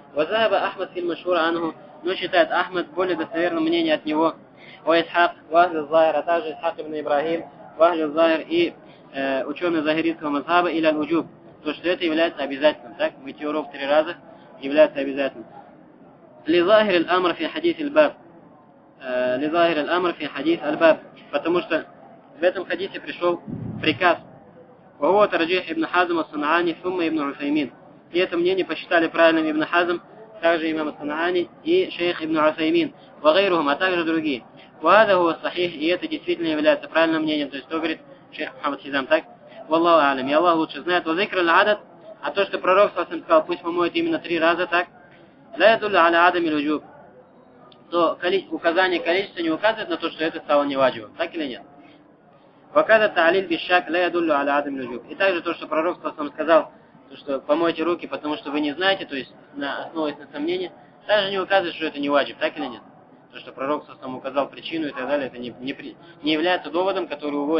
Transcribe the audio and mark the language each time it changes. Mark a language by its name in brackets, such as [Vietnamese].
[Arabic] Вазааба Ахмад фил машхура анху, [Russian] но считает Ахмад более достоверным мнением от него. Ва Исхак, Вахль аз-Захир, а также Исхак ибн Ибрахим, Вахль аз-Захир и ученые захиритского мазхаба или аль-Уджуб, то, что это является обязательным, так, мытье рук три раза является обязательным. [Arabic] لظاهر الأمر في حديث الباب. لظاهر الأمر في حديث الباب. [Russian] Потому что в этом хадисе пришел приказ. [Arabic] وهو ترجيح ابن حزم الصنعاني ثم ابن عثيمين. [Russian] И это мнение посчитали правильным ابن حزم, также имам الصنعاني и шейх ابن عثيمين. [Arabic] وغيرهم, [Russian] а также другие. [Arabic] وهذا هو الصحيح. [Russian] И это действительно является правильным мнением. То есть то говорит шейх Мухаммад Хизам, так? [Arabic] والله أعلم. [Russian] И Аллах лучше знает. [Arabic] وذكر العدد. [Russian] А то, что пророк сказал, пусть помоет именно три раза, так? [Arabic] لا يدل على عدم الوجوب. [Russian] То указание количества не указывает на то, что это стало неваджибом, так или нет? [Arabic] وكذا التعليل بالشك لا يدل على عدم الوجوب. [Russian] И также то, что пророк сам сказал, то, что помойте руки, потому что вы не знаете, то есть на основе сомнения, также не указывает, что это неваджиб, так или нет? То, что пророк сам указал причину и так далее, это не является доводом, который уводит